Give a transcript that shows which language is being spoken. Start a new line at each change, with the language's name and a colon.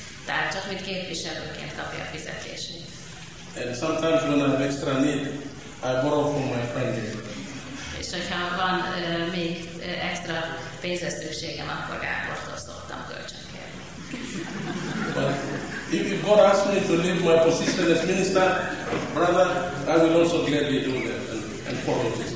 Hungarian: Tehát csak mit képviselőként kapja a fizetését.
English: And sometimes when I have extra need, I borrow from my friend.
Hungarian: És hogyha van még extra pénzre szükségem, akkor Gábortól szoktam kölcsön kérni.
English: If God asks me to leave my position as minister, brother, I will also gladly do that and follow this.